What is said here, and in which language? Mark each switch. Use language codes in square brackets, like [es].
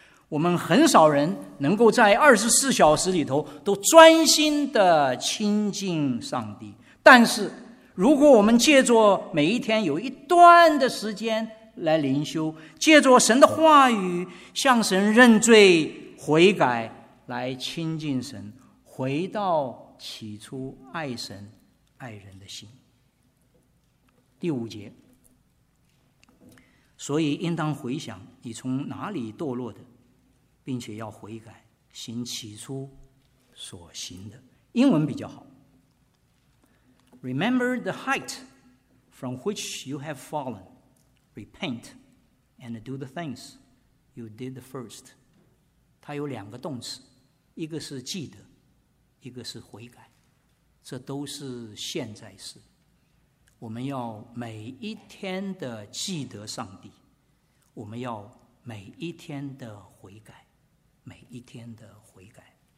[zh] 我们很少人能够在24小时里头都专心的亲近上帝，但是如果我们借着每一天有一段的时间来灵修，借着神的话语向神认罪悔改，来亲近神，回到起初爱神爱人的心。第五节，所以应当回想你从哪里堕落的，并且要悔改，行起初所行的。英文比较好， [en] Remember the height from which you have fallenRepent and do the things you did the first. [zh] 它有两个动词，一个是记得，一个是悔改，这都是现在式。我们要每一天的记得上帝，我们要每一天的悔改，每一天的悔改。